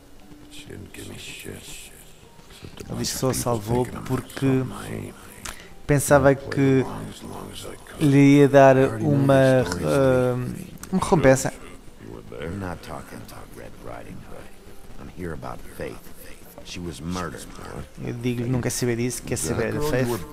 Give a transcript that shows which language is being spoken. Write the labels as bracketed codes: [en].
[en] But she didn't give me shit. [pt] Ela disse que só salvou porque pensava que lhe ia dar uma recompensa. [en] Not talking about Red Riding Hood. I'm here about Faith. She was murdered. [pt] Eu digo, não quer saber disso, quer saber da Faith.